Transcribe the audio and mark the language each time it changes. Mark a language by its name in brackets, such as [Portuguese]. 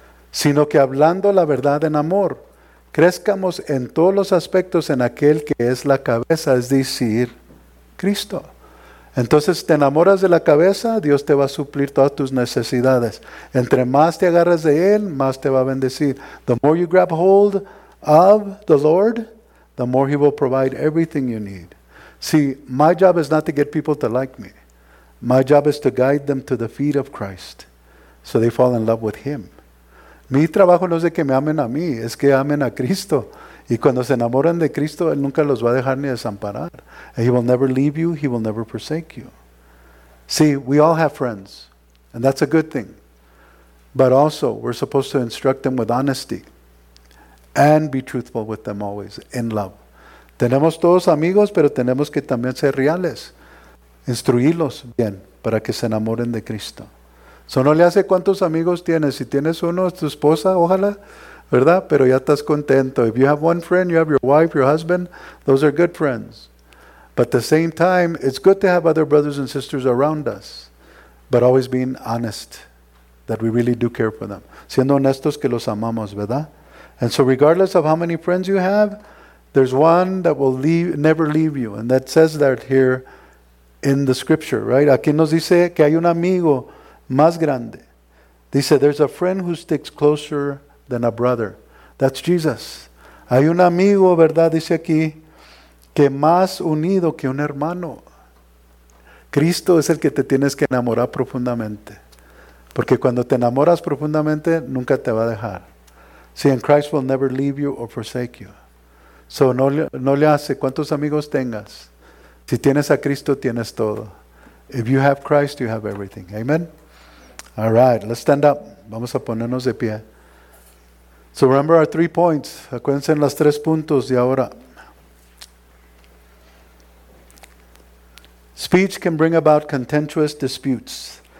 [Spanish] Sino que hablando la verdad en amor, crezcamos en todos los aspectos en aquel que es la cabeza, es decir, Cristo. Entonces, te enamoras de la cabeza, Dios te va a suplir todas tus necesidades. Entre más te agarras de Él, más te va a bendecir. [English] The more you grab hold of the Lord, the more He will provide everything you need. See, my job is not to get people to like me. My job is to guide them to the feet of Christ so they fall in love with Him. [Spanish] Mi trabajo no es de que me amen a mí, es que amen a Cristo. Y cuando se enamoran de Cristo, Él nunca los va a dejar ni desamparar. [English] And He will never leave you, He will never forsake you. See, we all have friends, and that's a good thing. But also, we're supposed to instruct them with honesty and be truthful with them always, in love. [Spanish] Tenemos todos amigos, pero tenemos que también ser reales. Instruirlos bien para que se enamoren de Cristo. So, no le hace cuántos amigos tienes. Si tienes uno, es tu esposa, ojalá, ¿verdad? Pero ya estás contento. [English] If you have one friend, you have your wife, your husband, those are good friends. But at the same time, it's good to have other brothers and sisters around us, but always being honest, that we really do care for them. [Spanish] Siendo honestos que los amamos, ¿verdad? [English] And so regardless of how many friends you have, there's one that will never leave you. And that says that here in the scripture, right? [Spanish] Aquí nos dice que hay un amigo más grande. Dice, [English] there's a friend who sticks closer than a brother. That's Jesus. [Spanish] Hay un amigo, ¿verdad? Dice aquí, que más unido que un hermano. Cristo es el que te tienes que enamorar profundamente. Porque cuando te enamoras profundamente, nunca te va a dejar. [English] See, and Christ will never leave you or forsake you. [Spanish] So, no le hace cuántos amigos tengas. Si tienes a Cristo, tienes todo. [English] If you have Christ, you have everything. Amen? All right, let's stand up. [Spanish] Vamos a ponernos de pie. [English] So, remember our 3 points. [Spanish] Acuérdense en las 3 puntos de ahora. [English] Speech can bring about contentious disputes.